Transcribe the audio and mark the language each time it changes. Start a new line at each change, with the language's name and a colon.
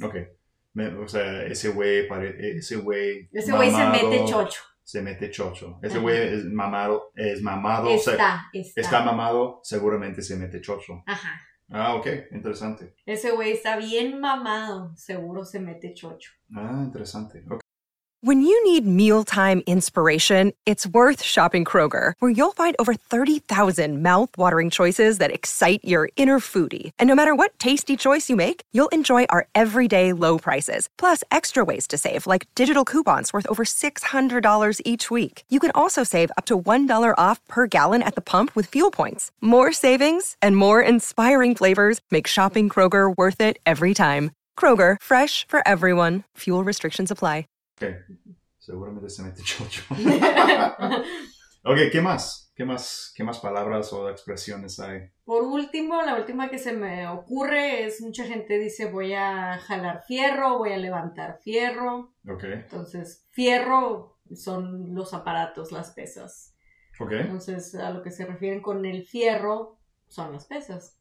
Spanish: Ok. O sea, ese güey se mete chocho. Se mete chocho. Ese güey es mamado. Está. O sea, está mamado, seguramente se mete chocho. Ajá. Ah, ok, interesante. Ese güey está bien mamado, seguro se mete chocho. Ah, interesante. Ok.
English: When you need mealtime inspiration, it's worth shopping Kroger, where you'll find over 30,000 mouthwatering choices that excite your inner foodie. And no matter what tasty choice you make, you'll enjoy our everyday low prices, plus extra ways to save, like digital coupons worth over $600 each week. You can also save up to $1 off per gallon at the pump with fuel points. More savings and more inspiring flavors make shopping Kroger worth it every time. Kroger, fresh for everyone. Fuel restrictions apply. Okay, so what am I going to say to children?
Spanish: Okay, ¿qué más? ¿Qué más? ¿Qué más palabras o expresiones hay? Por último, la última que se me ocurre es mucha gente dice voy a jalar fierro, voy a levantar fierro. Okay. Entonces, fierro son los aparatos, las pesas. Okay. Entonces, a lo que se refieren con el fierro son las pesas.